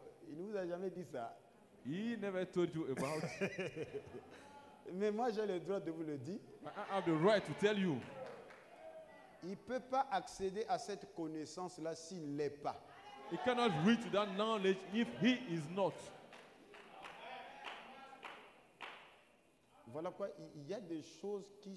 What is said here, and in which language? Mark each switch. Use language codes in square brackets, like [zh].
[fr] Il ne vous a jamais dit ça. [en] He never told you about. [fr] Mais moi, j'ai le droit de vous le dire. [en] I have the right to tell you. [fr] Il ne peut pas accéder à cette connaissance-là s'il ne l'est pas. [en] He cannot reach that knowledge if he is not. [fr] Voilà quoi, il y a des choses qui